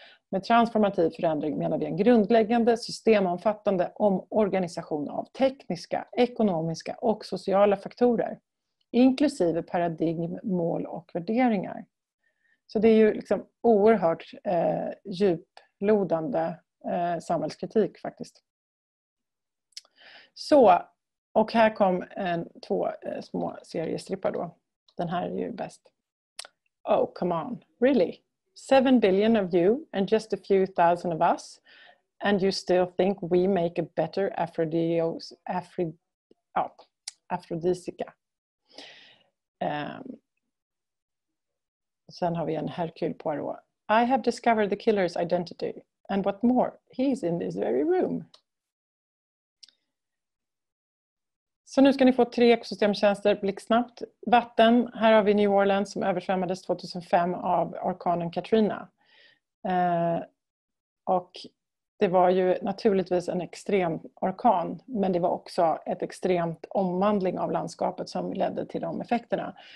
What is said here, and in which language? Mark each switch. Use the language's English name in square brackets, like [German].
[Swedish] Med transformativ förändring menar vi en grundläggande, systemomfattande omorganisation av tekniska, ekonomiska och sociala faktorer, inklusive paradigm, mål och värderingar. Så det är ju liksom oerhört djuplodande samhällskritik faktiskt. Så, och här kom två små seriestrippar då. Den här är ju bäst. [English] Oh, come on. Really? 7 billion of you and just a few thousand of us and you still think we make a better aphrodisica. [Swedish] Sen har vi en Hercule Poirot. [English] I have discovered the killer's identity and what more, he's in this very room. [Swedish] Så nu ska ni få tre ekosystemtjänster blixtsnabbt. Vatten, här har vi New Orleans som översvämmades 2005 av orkanen Katrina. Och det var ju naturligtvis en extrem orkan, men det var också ett extremt omvandling av landskapet som ledde till de effekterna.